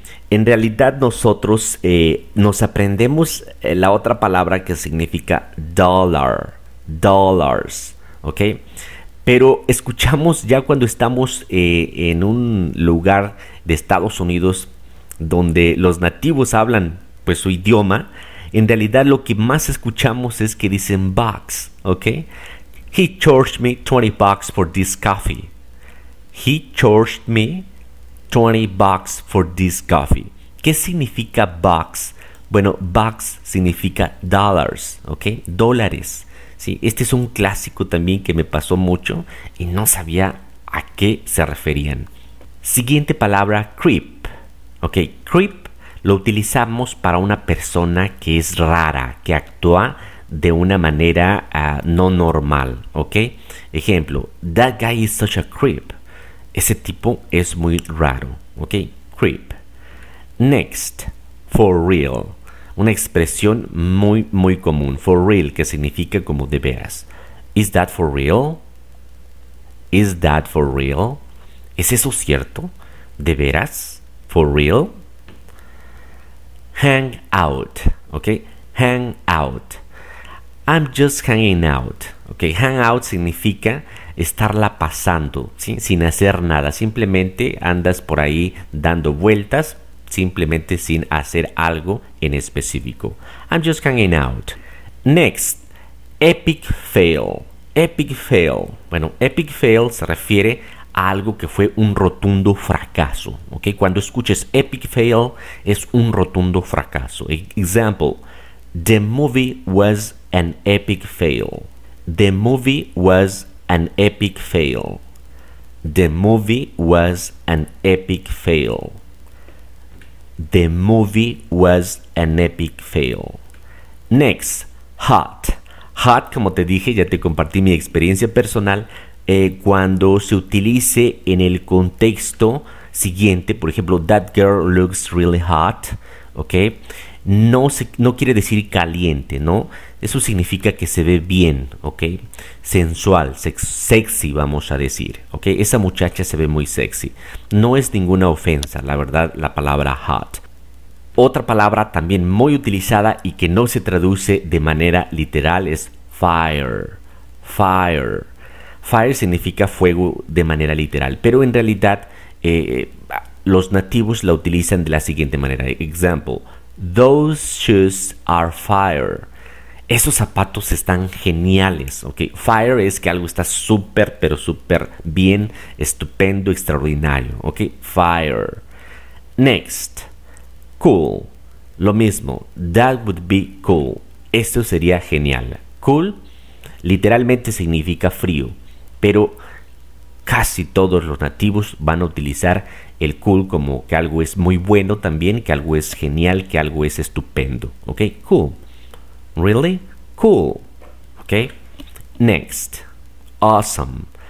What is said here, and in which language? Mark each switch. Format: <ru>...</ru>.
<es>En realidad nosotros nos aprendemos la otra palabra que significa dollar, dollars, ¿ok? Pero escuchamos ya cuando estamos en un lugar de Estados Unidos donde los nativos hablan pues su idioma, en realidad lo que más escuchamos es que dicen bugs, ¿ok?</es> <en>He charged me 20 bucks for this coffee. He charged me 20 bucks for this coffee.</en> <es>¿Qué significa bucks? Bueno, bucks significa dollars, ¿ok? Dólares. Sí, este es un clásico también que me pasó mucho y no sabía a qué se referían. Siguiente palabra, creep. Ok, creep lo utilizamos para una persona que es rara, que actúa de una manera no normal, ¿ok? Ejemplo,</es> <en>that guy is such a creep.</en> <es>Ese tipo es muy raro, ¿ok? Creep.</es> <en>Next, for real.</en> <es>Una expresión muy, muy común.</es> <en>For real,</en> <es>que significa como de veras.</es> <en>Is that for real? Is that for real?</en> <es>¿Es eso cierto? ¿De veras?</es> <en>For real. Hang out, ¿ok? Hang out. I'm just hanging out, ¿ok?</en> <es>Hang out significa estarla pasando, ¿sí? Sin hacer nada, simplemente andas por ahí dando vueltas, simplemente sin hacer algo en específico.</es> <en>I'm just hanging out. Next, epic fail. Epic fail.</en> <es>Bueno, epic fail se refiere a algo que fue un rotundo fracaso, ¿ok? Cuando escuches epic fail, es un rotundo fracaso.</es> <en>Example, the movie was an epic fail. The movie was an epic fail. The movie was an epic fail. The movie was an epic fail. Next, hot.</en> <es>Hot, como te dije, ya te compartí mi experiencia personal, cuando se utilice en el contexto siguiente, por ejemplo,</es> <en>that girl looks really hot,</en> <es>¿ok? No quiere decir caliente, ¿no? Eso significa que se ve bien, ¿ok? Sensual, sexy, vamos a decir, ¿ok? Esa muchacha se ve muy sexy. No es ninguna ofensa, la verdad, la palabra hot. Otra palabra también muy utilizada y que no se traduce de manera literal es fire. Fire. Fire significa fuego de manera literal, pero en realidad los nativos la utilizan de la siguiente manera.</es> <en>Example, those shoes are fire.</en> <es>Esos zapatos están geniales, ¿ok? Fire es que algo está súper, pero súper bien, estupendo, extraordinario, ¿ok?</es> <en>Fire. Next, cool.</en> <es>Lo mismo,</es> <en>that would be cool.</en> <es>Esto sería genial. Cool literalmente significa frío, pero casi todos los nativos van a utilizar el cool como que algo es muy bueno también, que algo es genial, que algo es estupendo, ¿ok?</es> <en>Cool. Really? Cool. Ok. Next. Awesome.</en>